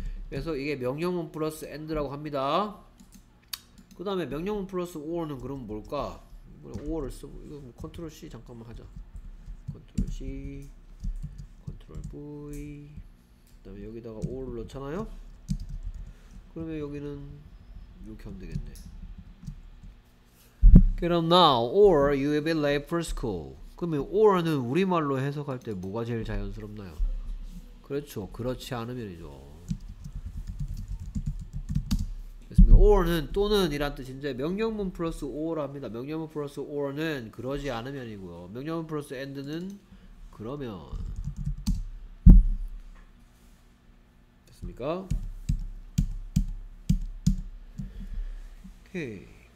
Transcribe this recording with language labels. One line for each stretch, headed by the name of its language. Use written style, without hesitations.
Korean: 그래서 이게 명령문 플러스 and라고 합니다. 그 다음에 명령문 플러스 or는 그럼 뭘까? or를 쓰고 이거 뭐 컨트롤 C 잠깐만 하자. 컨트롤 C 컨트롤 V 그 다음에 여기다가 or를 넣잖아요. 그러면 여기는 이렇게 하면 되겠네.
English: Get up now or you will be late for school.
Korean: 그러면 or는 우리말로 해석할 때 뭐가 제일 자연스럽나요? 그렇죠. 그렇지 않으면이죠. 됐습니다. or는 또는 이란 뜻인데 명령문 플러스 or 합니다. 명령문 플러스 or는 그러지 않으면이고요. 명령문 플러스 and는 그러면 됐습니까? 오케이.